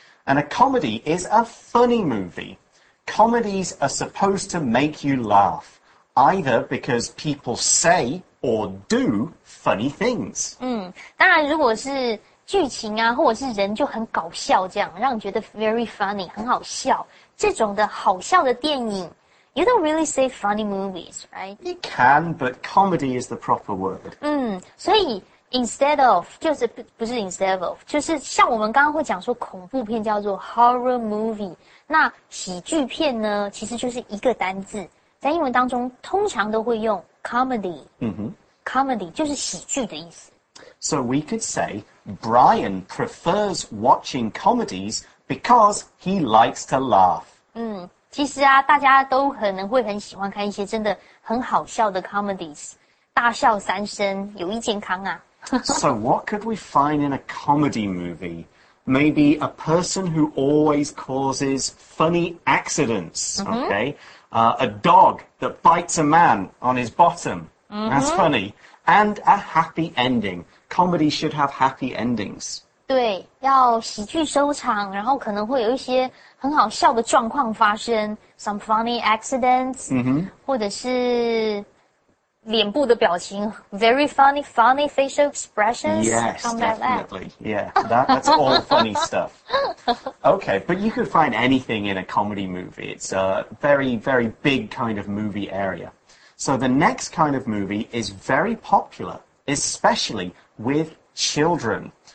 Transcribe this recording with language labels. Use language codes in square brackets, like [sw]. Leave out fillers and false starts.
[en] And a comedy is a funny movie. Comedies are supposed to make you laugh, either because people say or do funny things. [zh] 当然如果是剧情啊或者是人就很搞笑这样让你觉得 [en] very funny, [zh] 很好笑。这种的好笑的电影 [en] you don't really say funny movies, right? You can, but comedy is the proper word. [zh] 所以 [en] instead of, [zh] 就是不是 instead of, 就是像我们刚刚会讲说恐怖片叫做 horror movie, 那喜剧片呢其实就是一个单字在英文当中通常都会用 comedy,、comedy 就是喜剧的意思。 [en] So we could say, Brian prefers watching comedies because he likes to laugh. [zh] 其实啊大家都可能会很喜欢看一些真的很好笑的 comedies, 大笑三声有益健康啊。 [en] So what could we find in a comedy movie? Maybe a person who always causes funny accidents, okay? A dog that bites a man on his bottom. That's funny. And a happy ending. Comedy should have happy endings. [zh] 对，要喜剧收场，然后可能会有一些很好笑的状况发生 ， [en] some funny accidents， [zh] 或者是脸部的表情 ， [en] very funny funny facial expressions. Yes, definitely. Yeah, that's all funny stuff. Okay, but you could find anything in a comedy movie. It's a very very big kind of movie area. So the next kind of movie is very popular, especially with children.